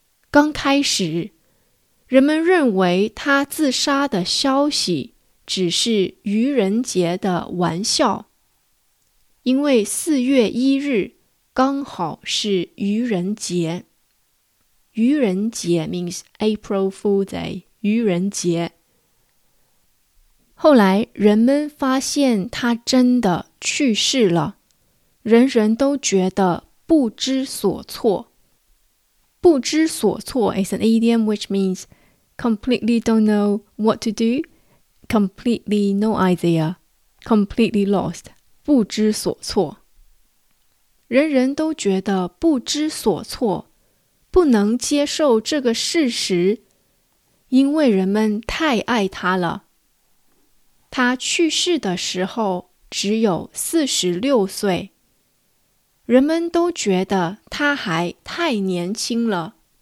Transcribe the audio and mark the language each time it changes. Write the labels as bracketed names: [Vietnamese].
[Chinese] 刚开始，人们认为他自杀的消息只是愚人节的玩笑，因为4月1日刚好是愚人节。 [English] 愚人节 means April Fool's Day。愚人节。 [Chinese] 后来人们发现他真的去世了，人人都觉得不知所措。 [English] 不知所措 is an idiom which means completely don't know what to do, completely no idea, completely lost, 不知所措。 [Chinese] 人人都觉得不知所措，不能接受这个事实，因为人们太爱他了。他去世的时候只有46岁，人们都觉得他还太年轻了。